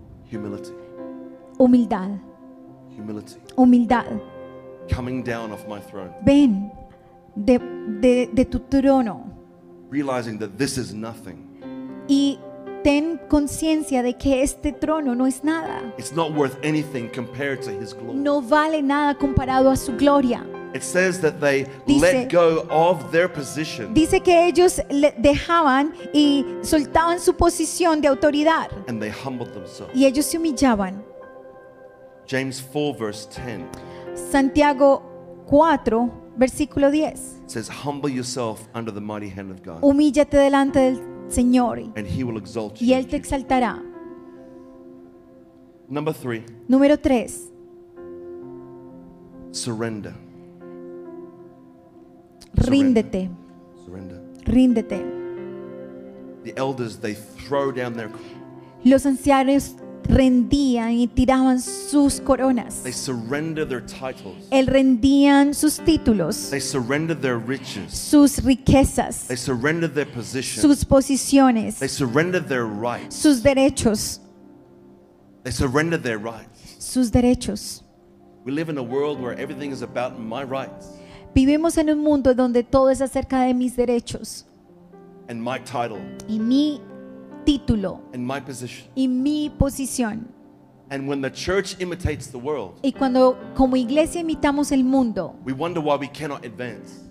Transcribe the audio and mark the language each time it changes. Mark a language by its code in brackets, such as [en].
[en] Humility. [es] Humildad. [en] Humility. [es] Humildad. [en] Coming down off my throne. [es] Ven de tu trono. [en] Realizing that this is nothing. [es] Y ten conciencia de que este trono no es nada. [en] It's not worth anything compared to his glory. [es] No vale nada comparado a su gloria. [en] It says that they let go of their position. [es] Dice que ellos dejaban y soltaban su posición de autoridad. [en] And they humbled themselves. [es] Y ellos se humillaban. [en] James 4 verse 10. [es] Santiago 4 versículo 10. [en] Says, humble yourself under the mighty hand of God. [es] Humíllate delante del Señor. [en] And he will exalt you. [es] Y él te exaltará. [en] Number 3. [es] Número 3. [en] Surrender. [es] Ríndete. [en] Surrender. [es] Ríndete. [en] The elders, they throw down their. [es] Los ancianos rendían y tiraban sus coronas. [en] They surrender their titles. [es] El rendían sus títulos. [en] They surrender their riches. [es] Sus riquezas. [en] They surrender their positions. [es] Sus posiciones. [en] They surrender their rights. [es] Sus derechos. [en] They surrender their rights. [es] Sus derechos. [en] We live in a world where everything is about my rights. [es] Vivimos en un mundo donde todo es acerca de mis derechos. [en] And my title. [es] Y mi título. [en] And my position. [es] Y mi posición. [en] And when the church imitates the world. [es] Y cuando como iglesia imitamos el mundo. [en] We wonder why we cannot advance.